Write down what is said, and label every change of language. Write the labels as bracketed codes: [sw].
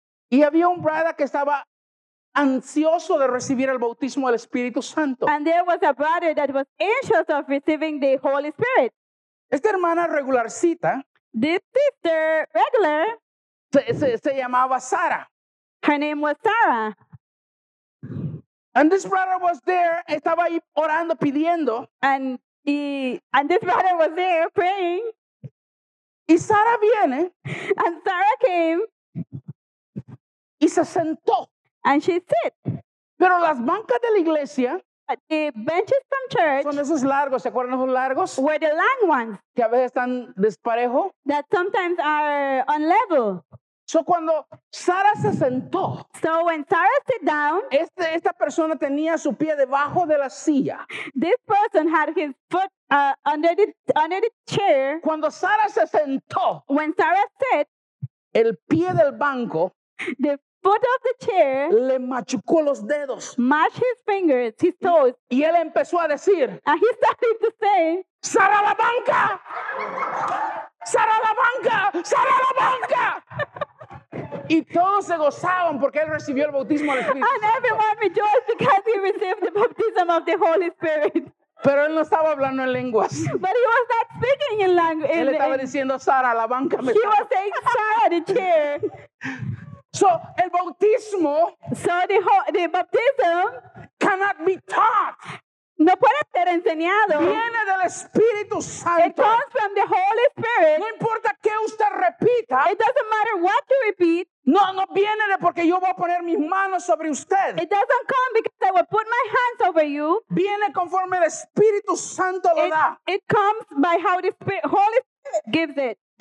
[es] Y había un brother que estaba ansioso de recibir el bautismo del Espíritu Santo. [en] And there was a brother that was anxious of receiving the Holy Spirit. [es] Esta hermana regularcita. [en] This sister regular. [es] Se llamaba Sara. [en] Her name was Sarah. And this brother was there, [es] estaba ahí orando, pidiendo. [en] And this brother was there praying. [es] Y Sara viene. [en] And Sarah came. [es] Y se sentó. [en] And she said, [es] pero las bancas de la iglesia, [en] the benches from church, [es] son esos largos, ¿se acuerdan esos largos? [en] Were the long ones, [es] que a veces están desparejo, [en] that sometimes are on level. [es] So cuando Sara se sentó, [en] so when Sarah sat down, [es] esta persona tenía su pie debajo de la silla. [en] This person had his foot under the chair. [es] Cuando Sara se sentó, [en] when Sarah sat, [es] el pie del banco, [en] the foot of the chair, [es] le machucó los dedos, [en] mashed his fingers, his toes, [es] y él empezó a decir, [en] and he started to say, [es] Sara la banca, Sara la banca, Sara la banca, y todos se gozaban porque él recibió el bautismo del Espíritu. [en] And everyone rejoiced because he received the baptism of the Holy Spirit. [es] Pero él no estaba hablando en lenguas. [en] But he was not speaking in language. [es] Él estaba diciendo, Sara la banca. [en] He was saying, Sara the chair. [es] So el bautismo, [en] so the baptism cannot be taught. [es] No puede ser enseñado. Viene del Espíritu Santo. [en] It comes from the Holy Spirit. [es] No importa qué usted repita. [en] It doesn't matter what you repeat. [es] No, no viene de porque yo voy a poner mis manos sobre usted. [en] It doesn't come because I will put my hands over you. [es] Viene conforme el Espíritu Santo lo da. [en] It comes by how the Spirit, Holy Spirit gives it.